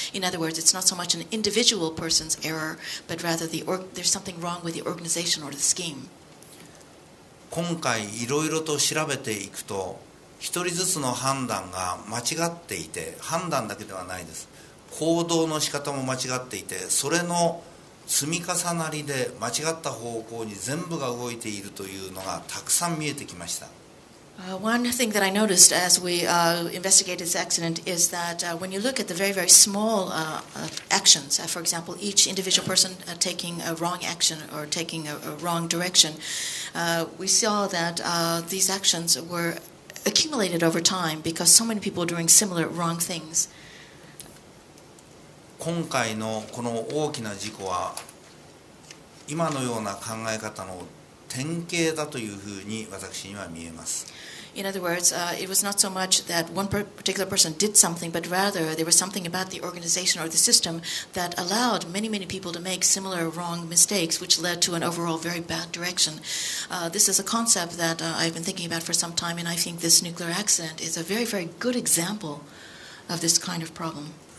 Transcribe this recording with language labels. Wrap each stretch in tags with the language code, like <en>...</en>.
<en>In other words, it's not so much an individual person's error, but rather there's something wrong with the organization or the scheme.</en> <ja>今回いろいろと調べていくと、一人ずつの判断が間違っていて、判断だけではないです。行動の仕方も間違っていて、それの積み重なりで間違った方向に全部が動いているというのがたくさん見えてきました。</ja> <en>One thing that I noticed as we investigated this accident is that when you look at the very, very small actions, for example, each individual person taking a wrong action or taking a wrong direction, we saw that these actions were accumulated over time because so many people were doing similar wrong things.</en> <ja>今回のこの大きな事故は今のような考え方の典型だというふうに私には見えます。</ja> <en>In other words, it was not so much that one particular person did something, but rather there was something about the organization or the system that allowed many, many people to make similar wrong mistakes, which led to an overall very bad direction. This is a concept that I've been thinking about for some time, and I think this nuclear accident is a very, very good example of this kind of problem.</en>